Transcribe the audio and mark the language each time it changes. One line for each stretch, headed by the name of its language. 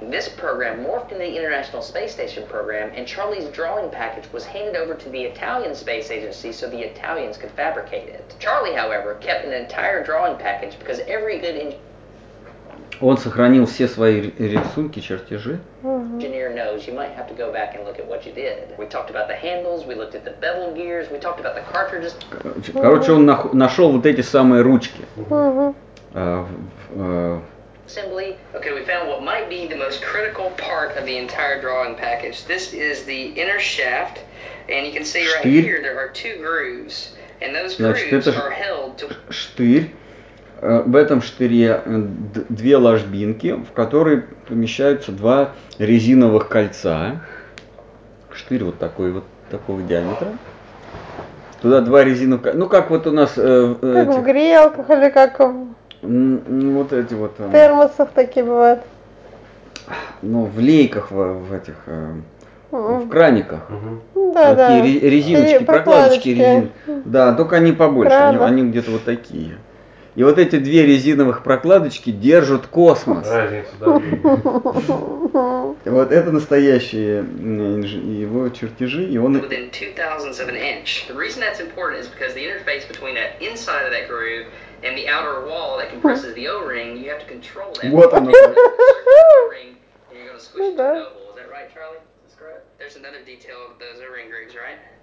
English: This program morphed into the International Space Station program, and Charlie's drawing package was handed over to the Italian Space Agency so the Italians could fabricate it. Charlie, however, kept an entire drawing package because every good
Russian: Он сохранил все свои рисунки, чертежи.
English: Engineer knows you might have to go back and look at what you did. We talked about the handles, we looked at the bevel gears, we talked about the cartridges.
Russian: Короче, он нашел вот эти самые ручки.
English: Assembly. Okay, we found what might be the most critical part of the entire drawing package. This is the inner shaft, and you can see right here there are two grooves, and those grooves are held to.
Russian: Штырь. В этом штыре две ложбинки, в которые помещаются два резиновых кольца. Штырь вот такой вот такого диаметра. Туда два резиновых кольца. Ну как вот у нас. Как в грелках или как в. Вот эти вот. Термосах такие бывают. Ну, в лейках в этих. В краниках. Да, такие да. Резиночки, прокладочки резиновые. Да, только они побольше, они где-то вот такие. И вот эти две резиновых прокладочки держат космос. Разница, да. Вот это настоящие его чертежи, и он.
English: Within two thousandths of an inch. The reason that's important is because the interface between that inside of that groove and the outer wall that compresses the O-ring, you have to control that.
Russian: Вот оно.
English: O-ring, and you're gonna squish it to the oval. Is that right, Charlie? That's correct. There's another detail of those O-ring grooves, right?